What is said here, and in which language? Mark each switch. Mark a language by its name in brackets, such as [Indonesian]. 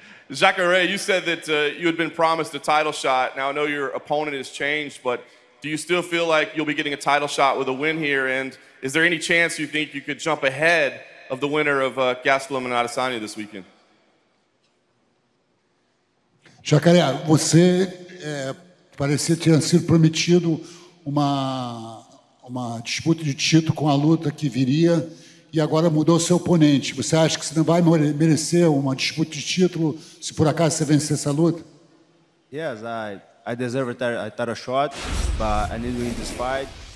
[English] Jacare, you said that you had been promised a title shot. Now, I know your opponent has changed, but do you still feel like you'll be getting a title shot with a win here? And is there any chance you think you could jump ahead of the winner of Gastelum and Adesanya this weekend? [Portuguese] Jacaré, você parecia ter sido prometido uma disputa de título com a luta que viria e agora mudou seu oponente. Você acha que você não vai merecer uma disputa de título se por acaso você vencer essa luta? [English] Yes, I deserve a title shot, but I need to win this fight.